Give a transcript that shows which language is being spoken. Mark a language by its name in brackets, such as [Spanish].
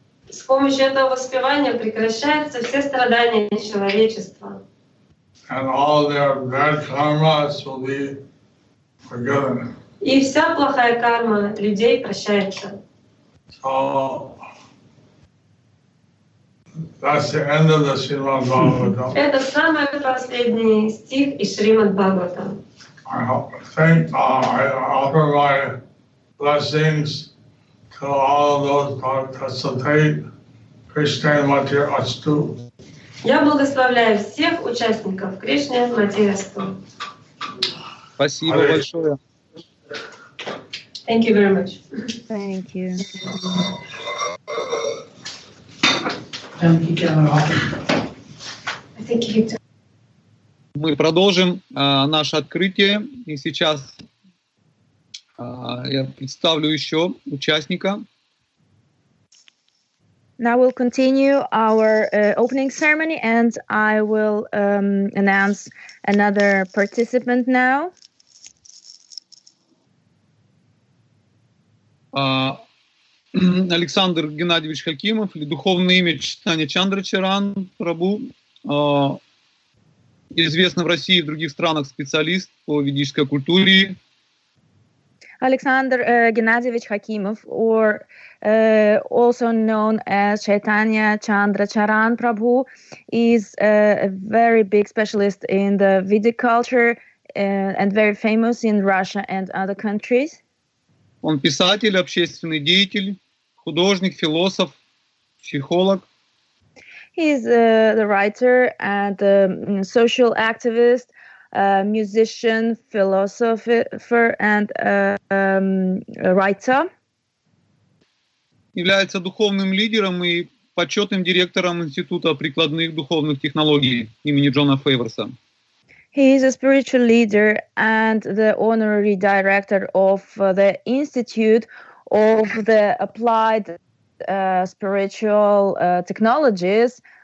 [Russian] С помощью этого воспевания прекращаются все страдания человечества. [English] And all their bad karmas will be forgiven. [Russian] И вся плохая карма людей прощается. [English] So, that's the end of the Srimad Bhagavatam. [Russian] Это самый последний стих из Шримад Бхагаватам. [English] I offer my blessings to all those who participate. [Sanskrit] Krishna Mati Astu. [Russian] Я благословляю всех участников Кришны Мати Асту. Спасибо Hare. Большое. [English] Thank you very much. Thank you. Thank you. I think you. [Russian] Мы продолжим наше открытие, и сейчас я представлю еще участника. [English] Now we'll continue our opening ceremony, and I will announce another participant now. [Russian] Александр Геннадьевич Хакимов, или духовное имя Чайтанья Чандрачаран Прабу. Известный в России и в других странах специалист по ведической культуре. [English] Александр Геннадьевич Хакимов, or also known as Chaitanya Chandracharan Prabhu, is a very big specialist in the Vedic culture and very famous in Russia and other countries. [Russian] Он писатель, общественный деятель, художник, философ, психолог. [English] He is the writer and a social activist, a musician, philosopher, and a writer. [Russian] Является духовным лидером и почетным директором Института прикладных духовных технологий имени Джона Фейверса. [English] He is a spiritual leader and the honorary director of the Institute of the Applied Spiritual Technologies.